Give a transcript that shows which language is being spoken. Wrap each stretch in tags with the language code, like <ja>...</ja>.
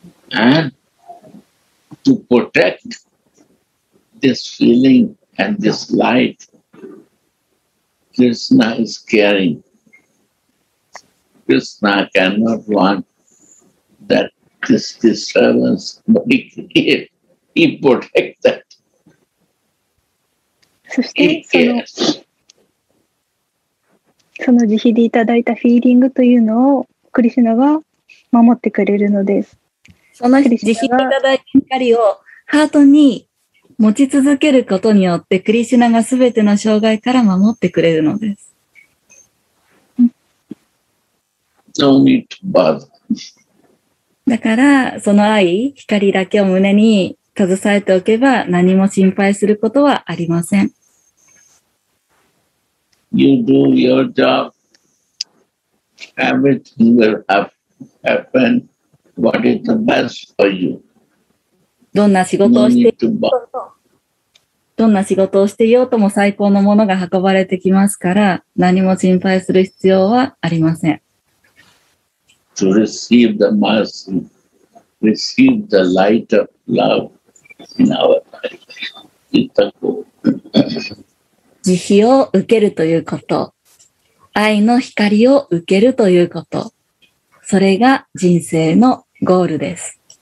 <en>And to protect this feeling and this light, Krishna is caring. Krishna cannot want that this disturbance be created. He protected that.</en> <ja>そしてその慈悲でいただいたフィーリングというのをクリシュナが守ってくれるのです。その慈悲でいただいた光をハートに持ち続けることによってクリシュナがすべての障害から守ってくれるのです。</ja> <en>No need to bother.</en> <ja>だからその愛、光だけを胸に携えておけば何も心配することはありません。</ja> <en>You do your job. Everything will happen. What is the best for you?</en> <ja>どんな仕事をしていようとも、どんな仕事をしていようとも最高のものが運ばれてきますから、何も心配する必要はありません。</ja> <en>To receive the mercy, receive the light of love in our life. It's the goal.</en> <ja>慈悲を受けるということ、愛の光を受けるということ、それが人生のゴールです。</ja>